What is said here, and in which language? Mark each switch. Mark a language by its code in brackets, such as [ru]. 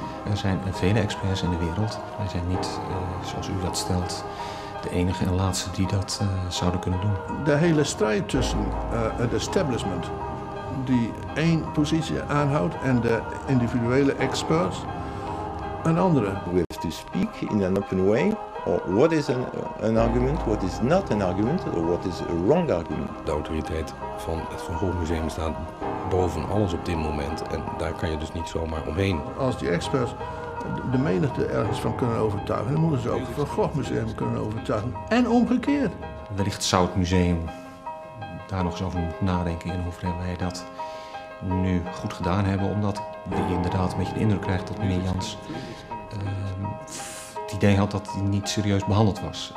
[nl] Er zijn vele experts in de wereld. Wij zijn niet, zoals u dat stelt, de enige en laatste die dat zouden kunnen doen. De hele strijd tussen het establishment, die één positie aanhoudt, en de individuele experts, een andere. [en] We have to speak in an open way. Or what is an argument, what is not an argument, or what is a wrong argument? [nl] De autoriteit van het Van Gogh Museum staat boven alles op dit moment en daar kan je dus niet zomaar omheen. Als die experts de menigte ergens van kunnen overtuigen, dan moeten ze ook het Van Gogh Museum kunnen overtuigen. En omgekeerd. Wellicht zou het museum daar nog eens over moeten nadenken in hoeverre wij dat nu goed gedaan hebben, omdat je inderdaad een beetje de indruk krijgt dat meneer Jans het idee had dat hij niet serieus behandeld was.